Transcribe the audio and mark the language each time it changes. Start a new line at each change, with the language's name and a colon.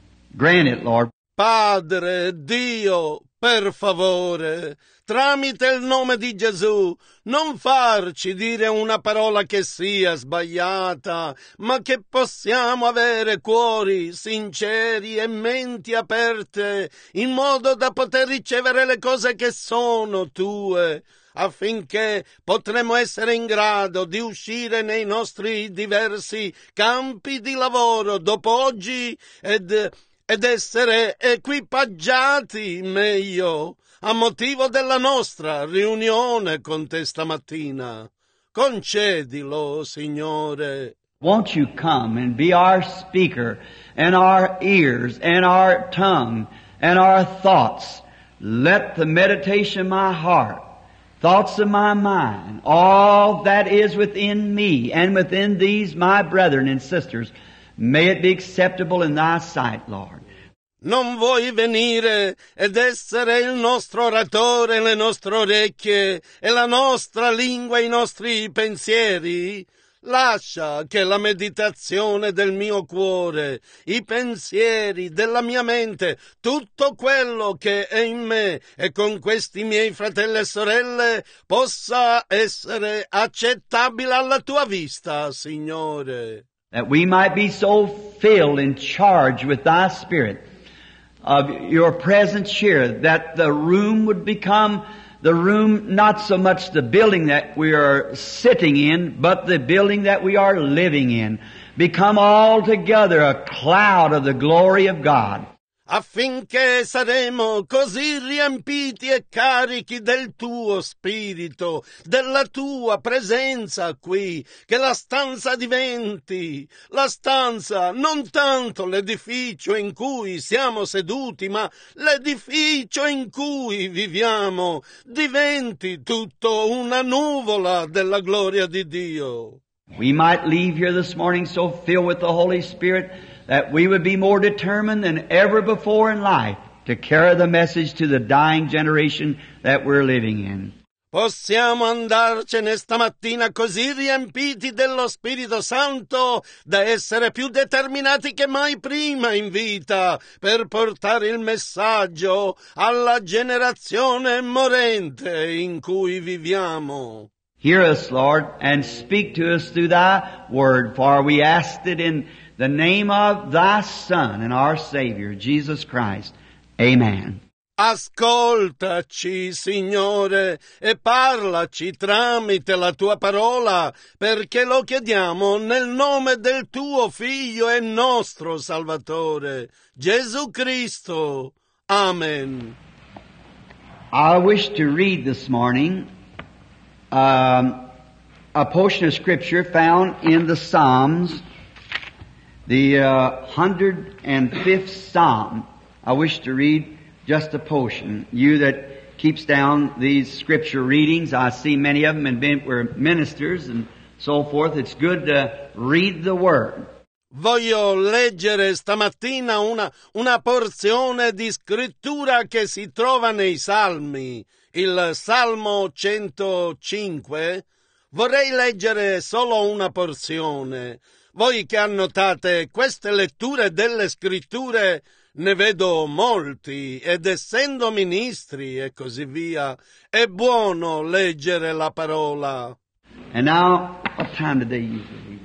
English: Grant it, Lord.
Italian: Padre, Dio, per favore, tramite il nome di Gesù, non farci dire una parola che sia sbagliata, ma che possiamo avere cuori sinceri e menti aperte in modo da poter ricevere le cose che sono tue, affinché potremo essere in grado di uscire nei nostri diversi campi di lavoro dopo oggi ed ed essere equipaggiati meglio a motivo della nostra riunione con te stamattina. Concedilo, Signore.
English: Won't you come and be our speaker and our ears and our tongue and our thoughts? Let the meditation of my heart, thoughts of my mind, all that is within me and within these my brethren and sisters, may it be acceptable in thy sight, Lord.
Italian: Non vuoi venire ed essere il nostro oratore, le nostre orecchie e la nostra lingua, i nostri pensieri? Lascia che la meditazione del mio cuore, i pensieri della mia mente, tutto quello che è in me e con questi miei fratelli e sorelle possa essere accettabile alla tua vista, Signore.
English: That we might be so filled and charged with thy spirit of your presence here that the room would become the room, not so much the building that we are sitting in, but the building that we are living in, become altogether a cloud of the glory of God.
Italian: Affinché saremo così riempiti e carichi del tuo spirito, della tua presenza qui, che la stanza diventi, la stanza, non tanto l'edificio in cui siamo seduti, ma l'edificio in cui viviamo, diventi tutto una nuvola della gloria di Dio.
English: We might leave here this morning so filled with the Holy Spirit that we would be more determined than ever before in life to carry the message to the dying generation that we're living in.
Italian: Possiamo andarcene stamattina così riempiti dello Spirito Santo da essere più determinati che mai prima in vita per portare il messaggio alla generazione morente in cui viviamo.
English: Hear us, Lord, and speak to us through thy word, for we asked it in the name of thy Son and our Savior, Jesus Christ. Amen.
Italian: Ascoltaci, Signore, e parlaci tramite la tua parola, perché lo chiediamo nel nome del tuo Figlio e nostro Salvatore, Gesù Cristo. Amen.
English: I wish to read this morning a portion of Scripture found in the Psalms, the 105th Psalm. I wish to read just a portion. You that keeps down these Scripture readings, I see many of them and were ministers and so forth. It's good to read the Word.
Italian: Voglio leggere stamattina una porzione di Scrittura che si trova nei Salmi. Il Salmo 105, vorrei leggere solo una porzione. Voi che annotate queste letture delle Scritture, ne vedo molti, ed essendo ministri e così via, è buono leggere la parola.
English: And now, what time did they usually leave?